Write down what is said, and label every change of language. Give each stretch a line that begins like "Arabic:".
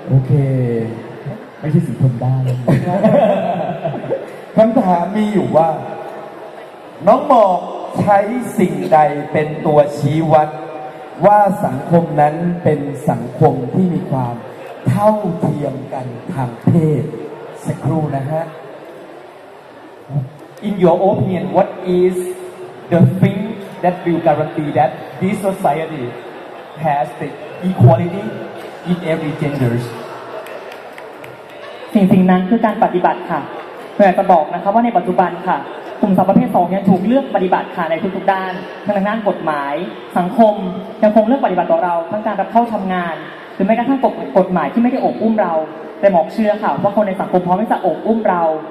Thai: โอเคไม่ใช่สีทนได้คำถามมีอยู่ว่าน้องหมอกใช้สิ่งใดเป็นตัวชี้วัดว่าสังคมนั้นเป็นสังคมที่มีความเท่าเทียมกันทางเพศสักครู่นะฮะ
English: In your opinion what is the thing that will guarantee that this society has the equality in every genders
Thai: สิ่งนั้นคือการปฏิบัติค่ะแต่จะบอกนะคะว่าในปัจจุบันค่ะกลุ่มสาวประเภท2ยังถูกเลือกปฏิบัติค่ะในทุกๆด้านทั้งด้านกฎหมายสังคมยังคงเลือกปฏิบัติต่อเราทั้งการรับเข้าทำงานหรือแม้กระทั่งกฎหมายที่ไม่ได้อบอุ้มเราแต่หมอกเชื่อค่ะว่าคนในสังคมพร้อมที่จะอบอุ้มเรา